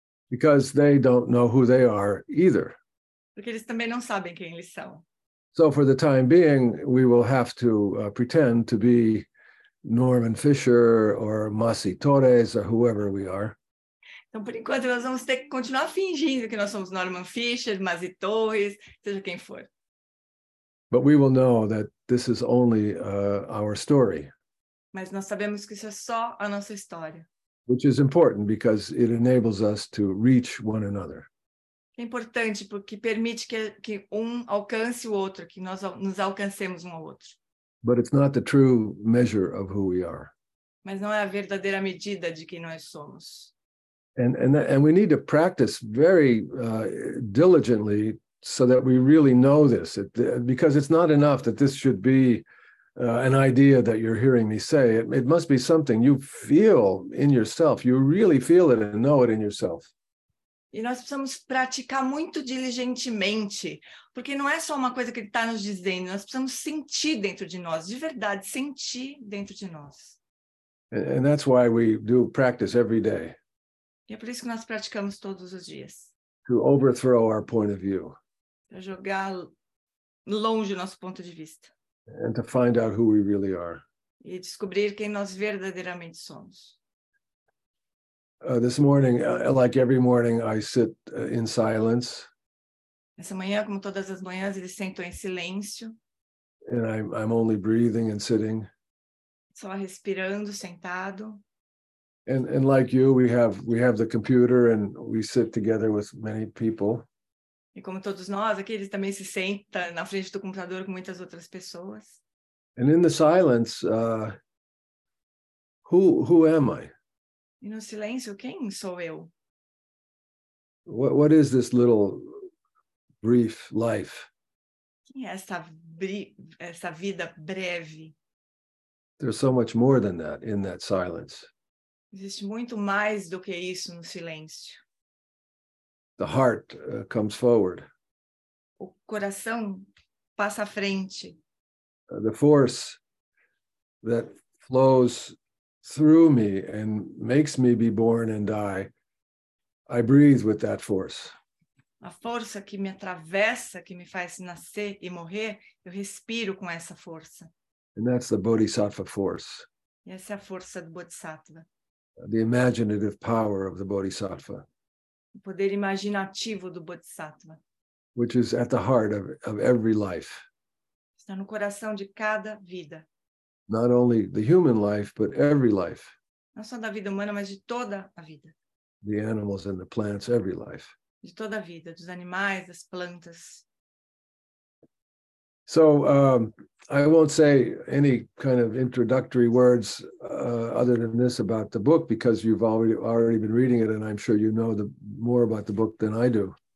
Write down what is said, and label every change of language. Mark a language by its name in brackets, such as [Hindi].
[English] Because they don't know who they are either. [Portuguese] Porque eles também não sabem quem eles são. [English] So for the time being, we will have to pretend to be Norman Fisher or Masi Torres or whoever we are. [Portuguese] Então, por enquanto, nós vamos ter que continuar fingindo que nós somos Norman Fisher, Masi Torres, seja quem for. [English] But we will know that this is only our story. [Portuguese] Mas nós sabemos que isso é só a nossa história. [English] Which is important because it enables us to reach one another. [Portuguese] É importante porque permite que um alcance o outro, que nós nos alcancemos um ao outro. [English] But it's not the true measure of who we are. [Portuguese] Mas não é a verdadeira medida de quem nós somos. [English] And we need to practice very diligently so that we really know this. Because it's not enough that this should be an idea that you're hearing me say. It must be something you feel in yourself. You really feel it and know it in yourself. [Portuguese] E nós precisamos praticar muito diligentemente, porque não é só uma coisa que ele está nos dizendo, nós precisamos sentir dentro de nós, de verdade, sentir dentro de nós. [English] And that's why we do practice every day. [Portuguese] E é por isso que nós praticamos todos os dias. [English] To overthrow our point of view. [Portuguese] Para jogar longe o nosso ponto de vista. [English] And to find out who we really are. [Portuguese] E descobrir quem nós verdadeiramente somos. [English] This morning, like every morning, I sit in silence. [Portuguese] Essa manhã, como todas as manhãs, eu sento em silêncio. [English] And I'm only breathing and sitting. [Portuguese] Só respirando, sentado. [English] And like you, we have the computer and we sit together with many people. [Portuguese] E como todos nós, aqui eles também se sentam na frente do computador com muitas outras pessoas. [English] And in the silence, who am I? [Portuguese] E no silêncio, quem sou eu? [English] What is this little brief life? [Portuguese] Quem é essa vida breve? [English] There's so much more than that in that silence. [Portuguese] Existe muito mais do que isso no silêncio. [English] The heart comes forward. [Portuguese] O coração passa à frente. [English] The force that flows through me and makes me be born and die, I breathe with that force. [Portuguese] A força que me atravessa, que me faz nascer e morrer, eu respiro com essa força. [English] And that's the Bodhisattva force. [Portuguese] E essa é a força do Bodhisattva. [English] The imaginative power of the Bodhisattva. [Portuguese] O poder imaginativo do Bodhisattva. [English] Which is at the heart of every life. [Portuguese] Está no coração de cada vida. [English] Not only the human life, but every life. [Portuguese] Não só da vida humana, mas de toda a vida. [English] The animals and the plants, every life. [Portuguese] De toda a vida, dos animais, das plantas. [English] So, I won't say any kind of introductory words other than this about the book, because you've already been reading it, and I'm sure you know more about the book than I do.